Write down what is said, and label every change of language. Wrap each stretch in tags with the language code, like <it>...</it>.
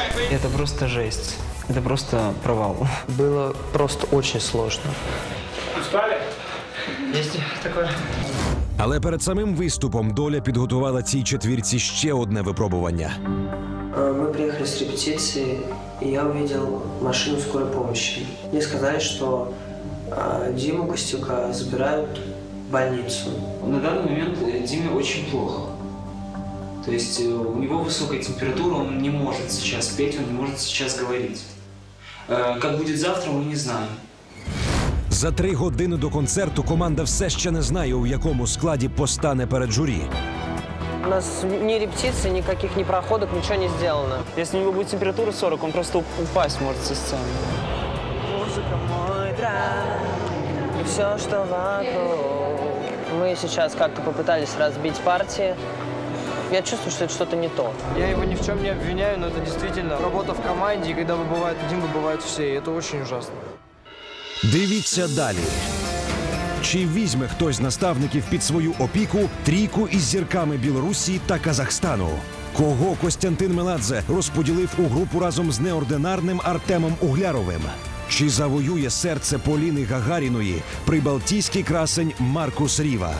<ru>Это просто жесть. Это просто провал. Было просто очень сложно. Устали? Есть такое.</ru> <uk>Але перед самим виступом доля підготувала цій четвірці ще одне випробування. Ми приїхали з репетиції, і я побачив машину скорої допомоги. Мені сказали, що Діму Костюка забирають в лікарню. На даний момент Дімі дуже плохо. Тобто у нього висока температура, він не може зараз петь, він не може зараз говорити. Як буде завтра, ми не знаємо. За 3 години до концерту команда все ще не знає, у якому складі постане перед журі.</uk> <ru>У нас ни репетиций, никаких ни проходок, ничего не сделано. Если у него будет температура 40, он просто упасть может со сцены. Музыка мой драйв, и все, что вокруг. Мы сейчас как-то попытались разбить партии. Я чувствую, что это что-то не то. Я его ни в чем не обвиняю, но это действительно работа в команде, и когда выбывает один, выбывают все, и это очень ужасно.</ru> <uk>Дивіться далі. Чи візьме хтось з наставників під свою опіку трійку із зірками Білорусі та Казахстану? Кого Костянтин Меладзе розподілив у групу разом з неординарним Артемом Угляровим? Чи завоює серце Поліни Гагаріної прибалтійський красень Маркус Ріва?</uk>